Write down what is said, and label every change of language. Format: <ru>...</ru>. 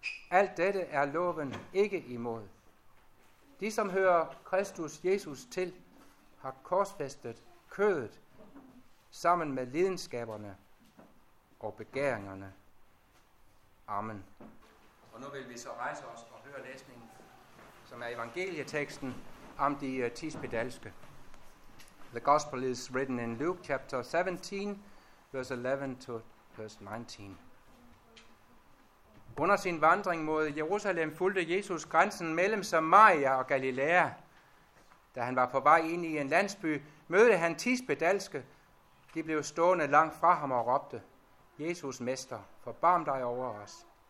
<da>Alt dette er loven ikke imod. De, som hører Kristus Jesus til, har korsfæstet kødet sammen med lidenskaberne og begæringerne. Amen. Og nu vil vi så rejse os og høre læsningen, som er evangelieteksten om de ti spedalske.</da> <en>The gospel is written in Luke chapter 17, verse 11 to verse 19.</en> <da>Under sin vandring mod Jerusalem fulgte Jesus grænsen mellem Samaria og Galilea. Da han var på vej ind i en landsby, mødte han ti spedalske. De blev stående langt fra ham og råbte, Jesus, mester, forbarm dig over os.</da>